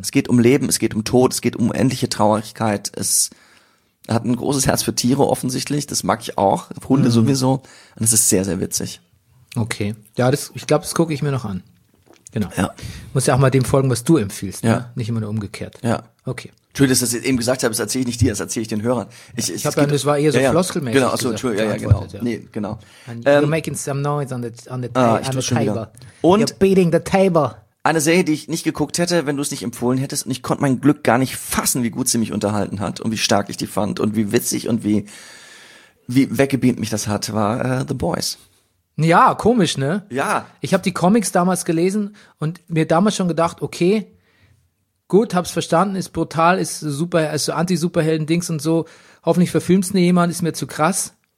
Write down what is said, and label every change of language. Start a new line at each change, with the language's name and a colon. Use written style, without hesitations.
German: Es geht um Leben, es geht um Tod, es geht um unendliche Traurigkeit. Es hat ein großes Herz für Tiere offensichtlich, das mag ich auch, Hunde sowieso, und es ist sehr, sehr witzig. Okay, ja, das, ich glaube, das gucke ich mir noch an. Genau. Ja. Muss ja auch mal dem folgen, was du empfiehlst, ja. Ne? Nicht immer nur umgekehrt. Ja. Okay. Entschuldigung, dass ich eben gesagt habe, das erzähle ich nicht dir, das erzähle ich den Hörern. Ich habe das war eher so ja, floskelmäßig. Genau, also gesagt, ja, genau. Ja. Nee, genau.
English: You're making some noise on the table.
German: Und
English: you're beating the table.
German: Eine Serie, die ich nicht geguckt hätte, wenn du es nicht empfohlen hättest, und ich konnte mein Glück gar nicht fassen, wie gut sie mich unterhalten hat und wie stark ich die fand und wie witzig und wie weggebeamt mich das hat, war The Boys. Ja, komisch, ne? Ja. Ich habe die Comics damals gelesen und mir damals schon gedacht, okay, gut, hab's verstanden, ist brutal, ist super, ist so Anti-Superhelden-Dings und so, hoffentlich verfilmt's nie jemand, ist mir zu krass.